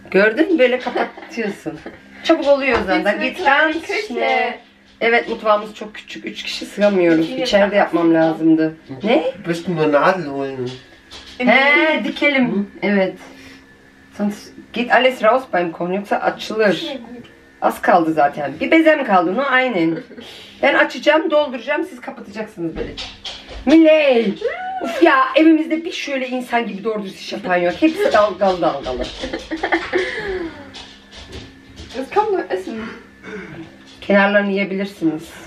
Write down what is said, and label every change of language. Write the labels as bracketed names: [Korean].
[Turkish] Gördün böyle kapatıyorsun. Çabuk oluyor zaten. Git lan. Evet, mutfağımız çok küçük. 3 kişi sığamıyoruz. İçeride yapmam lazımdı. Ne? [German] Müssen wir Nadeln holen. [Turkish] He, dikelim. Evet. [German] Sonst geht alles raus beim Kochen, [Turkish] yoksa açılır. Az kaldı zaten. Bir bezem kaldı, no aynen. Ben açacağım, dolduracağım, siz kapatacaksınız böyle. Miley! Uf ya, evimizde bir şöyle insan gibi doğru dürüst iş yapan yok. Hepsi dalgalı dalgalı. [German] Es kommt nur Essen. [Turkish] Kenarlarını yiyebilirsiniz.